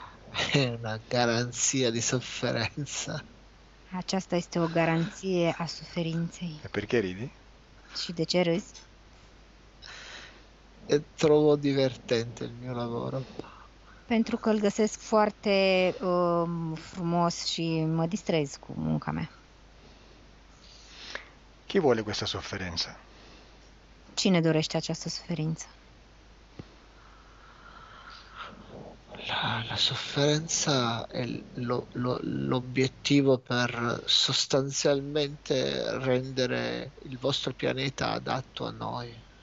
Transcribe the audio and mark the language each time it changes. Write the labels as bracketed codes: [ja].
[it] È una garanzia di sofferenza. E [ro] ce? Aceasta este o garanție a suferinței. [it] perché ridi? [ro] Și de ce râzi? [it] Trovo divertente il mio lavoro. [ro] Pentru că îl găsesc foarte frumos și mă distrez cu munca mea. [it] Chi vuole questa sofferenza? [ro] Cine dorește această suferință? [it] La sofferenza è l'obiettivo per sostanzialmente rendere il vostro pianeta adatto a noi.